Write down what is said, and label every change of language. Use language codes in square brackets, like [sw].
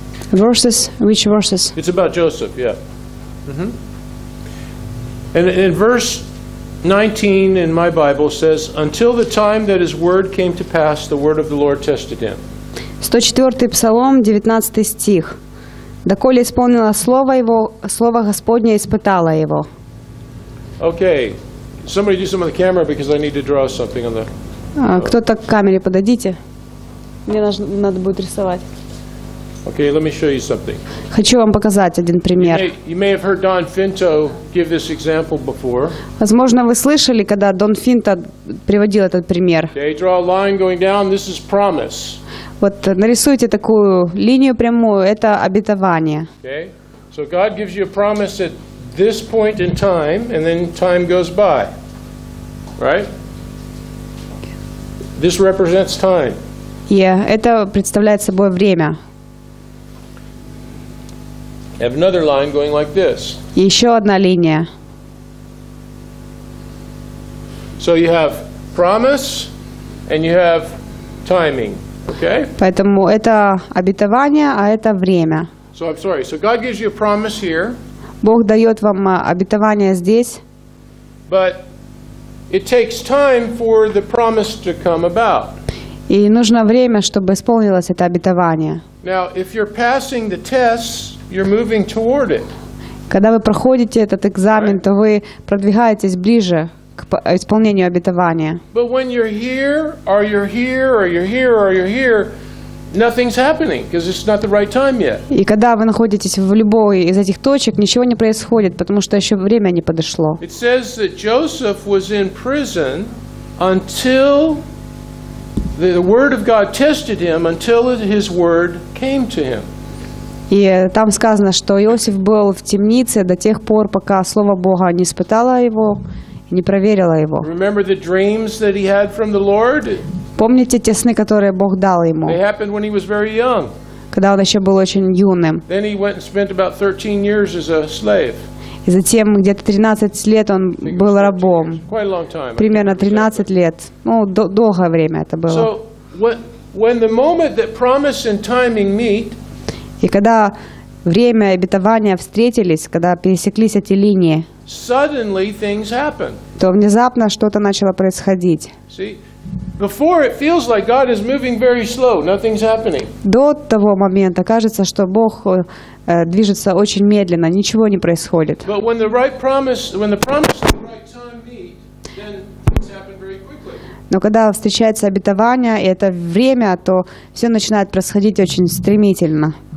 [en] Verses. Which verses? It's about Joseph. Yeah. And in verse 19 in my Bible says, "Until the time that his word came to pass, the word of the Lord tested him." [ru] 104 Psalm, 19 стих. Доколе исполнило слово его, слово Господне испытало его. [en] Okay, somebody do some of the camera because I need to draw something on the. [ru] Кто-то к камере подойдите. Мне надо будет рисовать. [en] Okay, let me show you something. [ru] Хочу вам показать один пример. [en] You may have heard Don Finto give this example before. [ru] Возможно, вы слышали, когда Дон Финто приводил этот пример. [en] Okay, draw a line going down. This is promise. [ru] Вот нарисуйте такую линию прямую. Это обетование. [en] Okay, so God gives you a promise that. This point in time, and then time goes by, right? This represents time. [ru] это представляет собой время. [en] I have another line going like this. [ru] Еще одна линия. [en] So you have promise and you have timing, okay? [ru] Поэтому это обетование, а это время. [en] So I'm sorry. So God gives you a promise here. [ru] Бог дает вам обетование здесь. [en] But it takes time for the promise to come about. [ru] И нужно время, чтобы исполнилось это обетование. [en] Now, if you're passing the test, you're moving toward it. [ru] Когда вы проходите этот экзамен, то вы продвигаетесь ближе к исполнению обетования. [en] But when you're here, or you're here, or you're here, or you're here, nothing's happening because it's not the right time yet. [ru] И когда вы находитесь в любой из этих точек, ничего не происходит, потому что еще время не подошло. [en] It says that Joseph was in prison until the word of God tested him, until his word came to him. [ru] И там сказано, что Иосиф был в темнице до тех пор, пока Слово Бога не испытало его, не проверило его. [en] Remember the dreams that he had from the Lord? [ru] Помните те сны, которые Бог дал ему? [en] They happened when he was very young. [ru] Когда он еще был очень юным. [en] Then he went and spent about 13 years as a slave. [ru] И затем где-то 13 лет он был рабом. [en] Quite a long time. [ru] Примерно 13 лет. Ну, долгое время это было. [en] So, when the moment that promise and timing meet, [ru] и когда время и обетование встретились, когда пересеклись эти линии, [en] suddenly things happen. [ru] То внезапно что-то начало происходить. [en] See, before it feels like God is moving very slow, nothing's happening. [ru] До того момента кажется, что Бог движется очень медленно, ничего не происходит. [en] But when the right promise, when the promise and the right time meet, then things happen very quickly. [ru] Но когда встречается обетование и это время, то все начинает происходить очень стремительно.